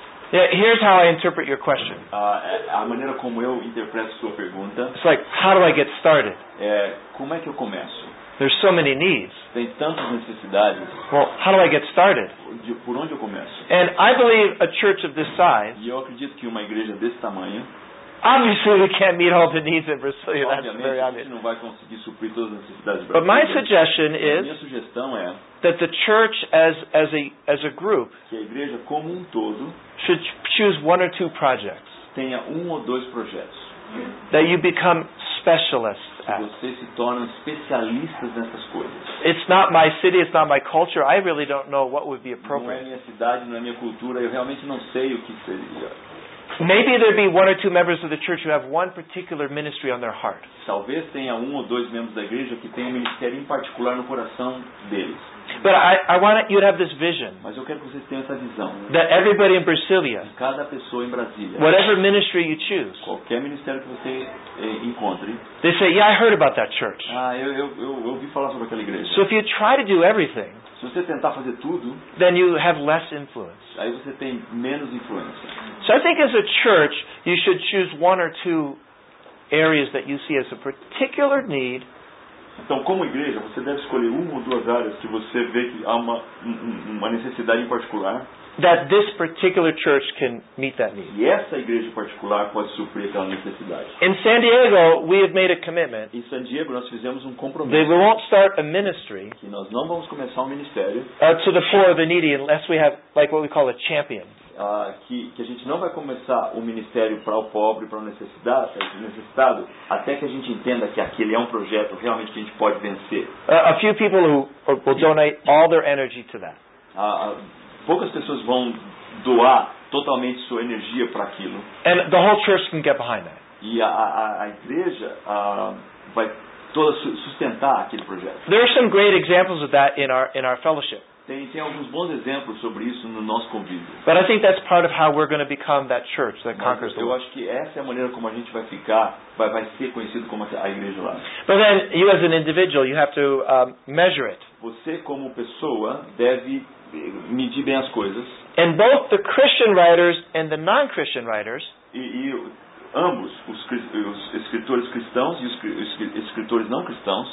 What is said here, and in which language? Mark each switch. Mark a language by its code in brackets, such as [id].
[en] Yeah, here's how I interpret your question. [pt] A maneira como eu interpreto sua pergunta. [en] It's like, how do I get started? [pt] Como é que eu começo? [en] There's so many needs. [pt] Tem tantas necessidades. [en] Well, how do I get started? [pt] Por onde eu começo? [en] And I believe a church of this size. [pt] E eu acredito que uma igreja desse tamanho. [en] Obviously, we can't meet all the needs in Brazil. That's very obvious. [pt] Não vai conseguir suprir todas as necessidades. [en] But my suggestion is. [pt] Minha sugestão é. [en] That the church as a group. [pt] Que a igreja como todo. [en] Should choose one or two projects. [pt] Tenha ou dois projetos. [en] That you become specialists at. [pt] Que vocês se tornam especialistas nessas coisas. [en] It's not my city. It's not my culture. I really don't know what would be appropriate. [pt] Não é minha cidade, não é minha cultura. Eu realmente não sei o que seria. [en] Maybe there'd be one or two members of the church who have one particular ministry on their heart. [pt] Talvez tenha ou dois membros da igreja que tenham um ministério em particular no coração deles. [en] But I want you to have this vision. [pt] Mas eu quero que vocês tenham essa visão. [en] That everybody in Brasília, [pt] cada pessoa em Brasília, [en] whatever ministry you choose, [pt] qualquer ministério que você encontre, [en] they say, yeah, I heard about that church. [pt] Eu ouvi falar sobre aquela igreja. [en] So if you try to do everything, [pt] se você tentar fazer tudo, [en] then you have less influence. [pt] Aí você tem menos influência. [en] So I think as a church, you should choose one or two areas that you see as a particular need. [pt] Então, como igreja, você deve escolher uma ou duas áreas que você vê que há uma necessidade em particular. [en] That this particular church can meet that need. [pt] E essa igreja particular pode suprir aquela necessidade. [en] In San Diego, we have made a commitment. [pt] Em San Diego, nós fizemos compromisso. [en] That we won't start a ministry. [pt] Que nós não vamos começar ministério. [en] To the poor or the needy, unless we have like what we call a champion. [pt] Que a gente não vai começar o ministério para o pobre, para o necessitado, até que a gente entenda que aquele é projeto realmente que a gente pode vencer. [en] A few people who will donate all their energy to that. [pt] Poucas pessoas vão doar totalmente sua energia para aquilo. [en] And the whole church can get behind that. [pt] E a igreja vai toda sustentar aquele projeto. [en] There are some great examples of that in our fellowship. [pt] tem alguns bons exemplos sobre isso no nosso convívio. [en] But I think that's part of how we're going to become that church that conquers the world. [pt] Eu acho que essa é a maneira como a gente vai ficar, vai ser conhecido como a igreja lá. [en] But then, you as an individual, you have to measure it. [pt] Você como pessoa deve medir bem as coisas. [en] And both the Christian writers and the non-Christian writers. [pt] Ambos, os escritores cristãos e os escritores não cristãos,